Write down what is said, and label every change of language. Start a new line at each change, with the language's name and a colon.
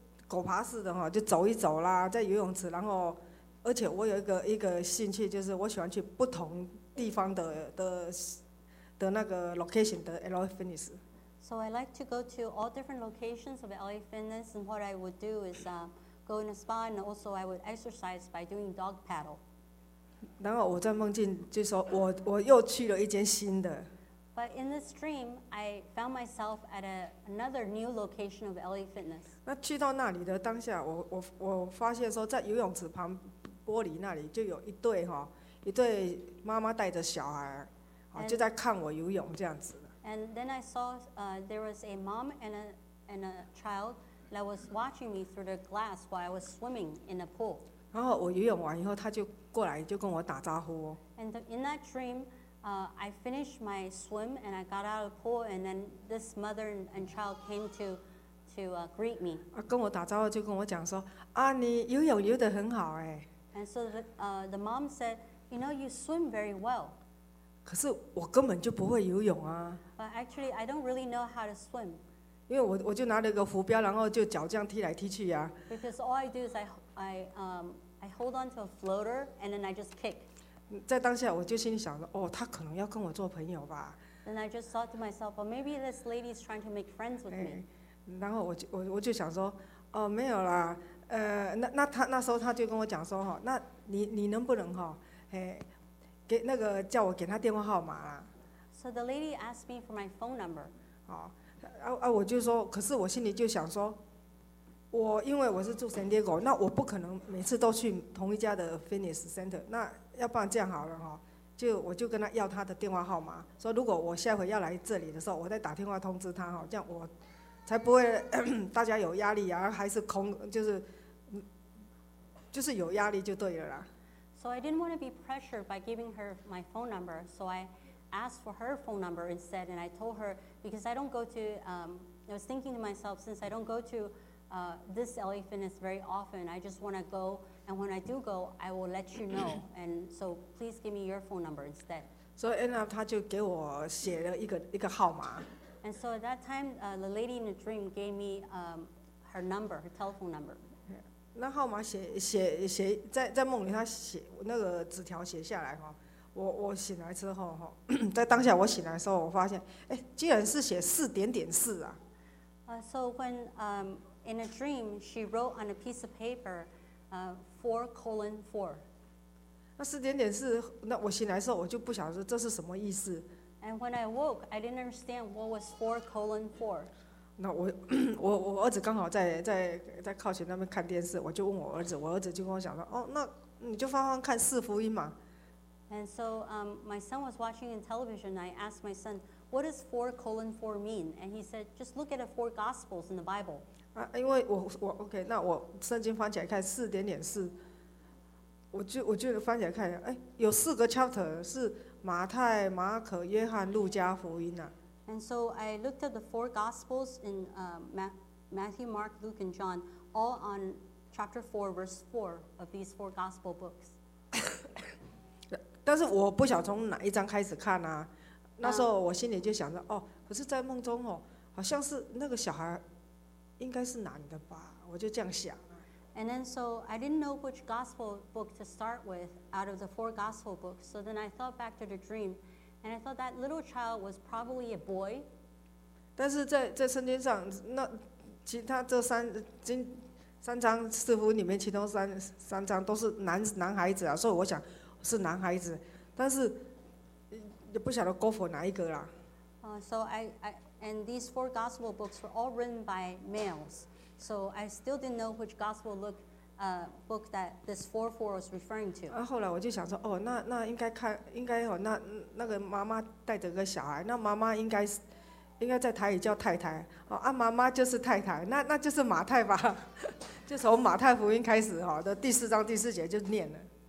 Chinese: 狗爬式的就走一走啦，在游泳池，然后而且我有一个兴趣，就是我喜欢去不同地方的那个 location 的 LA Fitness。
English: So I like to go to all different locations of LA Fitness, and what I would do is go in a spa, and also I would exercise by doing dog paddle.
Chinese: 然后我在梦境就说我又去了一间新的。
English: But in this dream, I found myself at another new location of LA Fitness.
Chinese: 那去到那里的当下，我发现说在游泳池旁玻璃那里就有一对妈妈带着小孩，就在看我游泳这样子。
English: And then I saw there was a mom and a child that was watching me through the glass while I was swimming in a pool.
Chinese: 然后我游泳完以后，他就过来就跟我打招呼。
English: And in that dream, I finished my swim and I got out of the pool, and then this mother and child came to greet me.
Chinese: 啊，跟我打招呼就跟我讲说，啊，你游泳游得很好哎。
English: And so the mom said, you know, you swim very well.
Chinese: 可是我根本就不会游泳啊！
English: But actually, I don't really know how to swim.
Chinese: 因为我就拿了一个浮标，然后就脚这样踢来踢去呀。
English: Because all I do is I hold on to a floater and then I just kick.
Chinese: 在当下我就心里想着，哦，他可能要跟我做朋友吧。
English: Then I just thought to myself, well, maybe this lady is trying to make friends with me.
Chinese: 然后我就想说，哦，没有啦，那时候他就跟我讲说，哈，那你能不能哈，给那个叫我给他电话号码啦。
English: So the lady asked me for my phone number.
Chinese: 我就说，可是我心里就想说，我因为我是住 San Diego， 那我不可能每次都去同一家的 fitness center。那要不然这样好了哈，我就跟他要他的电话号码，说如果我下回要来这里的时候，我再打电话通知他哈，这样我才不会大家有压力啊，还是空就是有压力就对了啦。
English: So I didn't want to be pressured by giving her my phone number, so I asked for her phone number instead, and I told her, because I don't go to, I was thinking to myself, since I don't go to this LA Fitness very often, I just want to go, and when I do go, I will let you know, and so please give me your phone number instead. So end up,
Chinese: 他就给我写了一个号码。
English: And so at that time, the lady in the dream gave me her number, her telephone number.
Chinese: 那号码写在梦里，他写那个纸条写下来哈。我醒来之后哈，在当下我醒来的时候，我发现哎，竟然是写四点点四啊。
English: So when in a dream she wrote on a piece of paper, 4:4.
Chinese: 那四点点四，那我醒来的时候我就不晓得这是什么意思。
English: And when I woke, I didn't understand what was 4:4.
Chinese: 那我儿子刚好在靠前那边看电视，我就问我儿子，我儿子就跟我讲说，哦，那你就放放看四福音嘛。
English: And so, my son was watching in television. I asked my son, "What does 4:4 mean?" And he said, "Just look at the four gospels in the Bible."
Chinese: 啊，因为我 OK， 那我圣经翻起来看四点点四，我就翻起来看，哎，有四个 chapter 是马太、马可、约翰、路加福音呐、啊。
English: And so I looked at the four Gospels in Matthew, Mark, Luke, and John, all on chapter 4, verse 4 of these four Gospel books.
Chinese: 但是我不晓得从哪一章开始看啊。那时候我心里就想着，哦，可是在梦中哦，好像是那个小孩应该是男的吧，我就这样想。
English: And then so I didn't know which Gospel book to start with out of the four Gospel books. So then I thought back to the dream. And I thought that little child was probably a boy.
Chinese: 但是在圣经上，那其他这三章似乎里面其中三章都是男孩子啊，所以我想是男孩子，但是也不晓得
English: go for
Chinese: 哪一个啦。
English: So I and these four gospel books were all written by males. So I still didn't know which gospel look. Book that this 4:4 was referring to.
Chinese: 后来我就想说，哦，那应该看，应该哦，那个妈妈带着个小孩，那妈妈应该在台语叫太太，哦，啊，妈妈就是太太，那就是马太吧，就从马太福音开始，哦，的第四章第四节就念了。